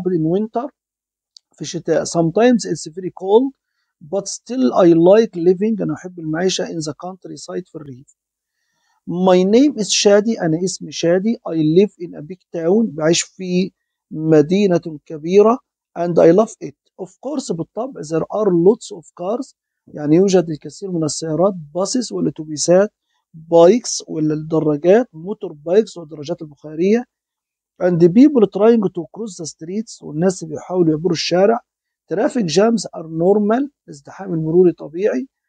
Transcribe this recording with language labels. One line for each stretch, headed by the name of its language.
English: In winter,
Arabic: في الشتاء.
English: Sometimes it's very cold, but still I like living,
Arabic: أنا أحب المعيشة.
English: In the countryside,
Arabic: في الريف.
English: My name is Shadi,
Arabic: أنا اسمي شادي.
English: I live in a big town,
Arabic: بعيش في مدينة كبيرة.
English: And I love it. Of course,
Arabic: بالطبع,
English: there are lots of cars.
Arabic: يعني يوجد الكثير من السيارات, buses والأتوبيسات, bikes والدراجات,
English: motor bikes
Arabic: والدراجات البخارية.
English: And the people trying to cross the streets,
Arabic: والناس بيحاولوا يعبروا الشارع.
English: Traffic jams are normal,
Arabic: ازدحام المروري طبيعي.